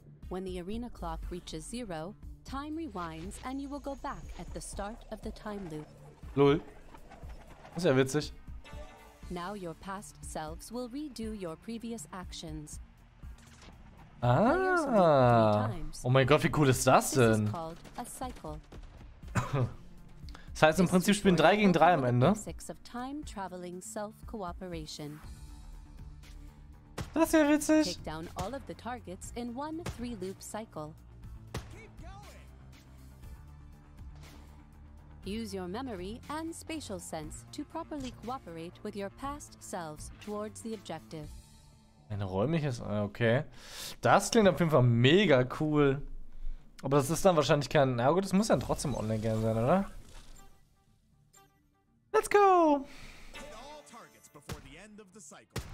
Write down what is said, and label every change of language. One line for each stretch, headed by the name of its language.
English: When the arena clock reaches zero, time rewinds and you will go back at the start of the time loop. Lol.
German: Ist ja witzig.
English: Now your past selves will redo your previous actions. Ah.
German: Oh mein Gott, wie cool ist das denn?
English: This is called a cycle.
German: Das heißt, im Prinzip spielen 3 gegen 3 am Ende.
English: Time traveling self cooperation.
German: Das ist ja witzig.
English: Take down all of the targets in one 3-loop cycle. Use your memory and spatial sense to properly cooperate with your past selves towards the objective.
German: Ein räumliches, okay. Das klingt auf jeden Fall mega cool. Aber das ist dann wahrscheinlich kein, na gut, das muss ja trotzdem online gehen sein, oder?
English: Let's go. Hit all targets before the end of the cycle.